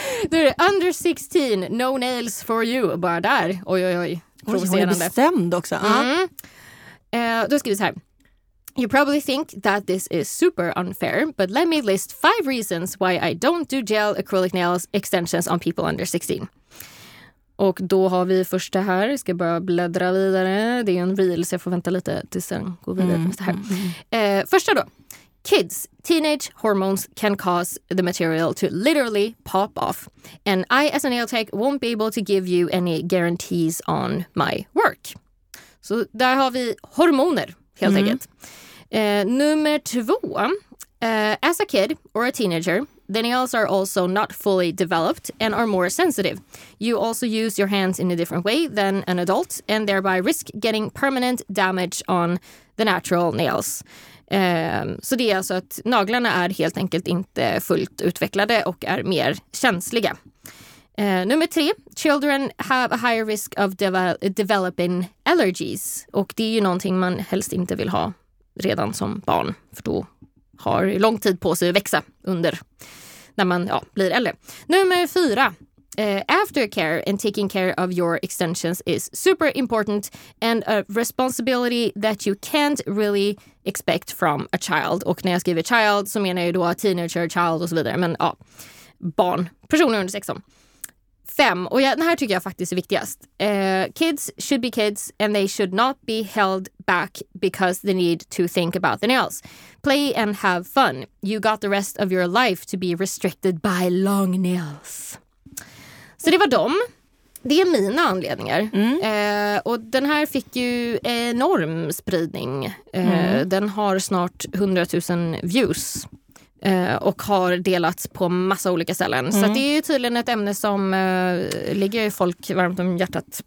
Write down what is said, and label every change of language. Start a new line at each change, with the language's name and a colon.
Swedish: Du är under 16,
English: no nails for you.
Swedish: Bara där, oj. Provocerande. Hon är bestämd också. Då skriver vi så här.
English: You probably think that this is super unfair, but let me list 5 reasons why I don't do gel acrylic nails extensions on people under 16.
Swedish: Och då har vi första här. Jag ska bara bläddra vidare. Det är en reel så jag får vänta lite tills sen går vidare med det här. Första då.
English: Kids, teenage hormones can cause the material to literally pop off. And I, as a nail tech, won't be able to give you any guarantees on my work.
Swedish: Så där har vi hormoner, helt enkelt. Nummer två.
English: As a kid or a teenager, the nails are also not fully developed and are more sensitive. You also use your hands in a different way than an adult and thereby risk getting permanent damage on the natural nails.
Swedish: Så det är alltså att naglarna är helt enkelt inte fullt utvecklade och är mer känsliga. Nummer tre,
English: children have a higher risk of developing allergies.
Swedish: Och det är ju någonting man helst inte vill ha redan som barn. För då har lång tid på sig att växa under när man blir äldre. Nummer fyra.
English: Aftercare and taking care of your extensions is super important and a responsibility that you can't really expect from a child.
Swedish: Och när jag skriver child så menar jag då teenager, child och så vidare. Men ja, barn, personer under 16. Fem, och ja, den här tycker jag faktiskt är viktigast.
English: Kids should be kids and they should not be held back because they need to think about the nails. Play and have fun. You got the rest of your life to be restricted by long nails.
Swedish: Så det var dem. Det är mina anledningar. Mm. Och den här fick ju enorm spridning. Den har snart 100,000 views. Och har delats på massa olika ställen. Mm. Så det är ju tydligen ett ämne som ligger ju folk varmt om hjärtat.